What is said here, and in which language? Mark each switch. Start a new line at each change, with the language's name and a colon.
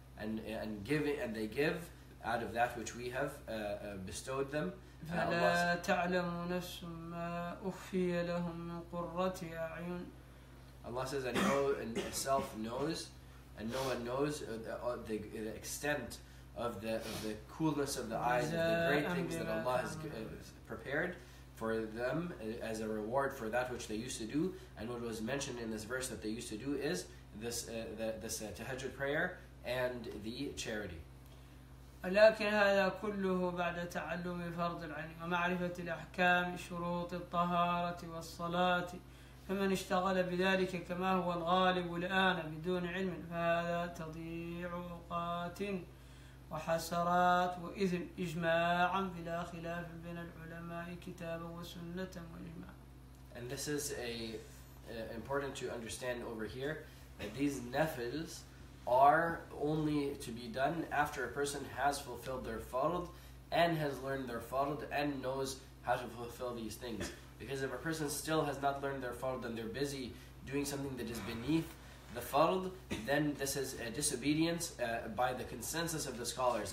English: And give it, and they give out of that which we have bestowed them.
Arabic: فلا تعلم نفس ما أخفي لهم من قرة أعين.
English: Allah says, and no one self knows, and no one knows the extent of the coolness of the eyes of the great things that Allah has prepared for them as a reward for that which they used to do. And what was mentioned in this verse that they used to do is this tahajjud prayer. And the charity.
Arabic: ولكن هذا كله بعد تعلم فرض العين ومعرفة الأحكام شروط الطهارة والصلاة. فمن اشتغل بذلك كما هو الغالب الآن بدون علم فهذا تضيع أوقات وحسرات وإثم إجماعا بلا خلاف بين العلماء كتابا وسنة وإجماعا.
English: And this is important to understand over here that these nafils are only to be done after a person has fulfilled their fard and has learned their fard and knows how to fulfill these things. Because if a person still has not learned their fard and they're busy doing something that is beneath the fard, then this is a disobedience by the consensus of the scholars.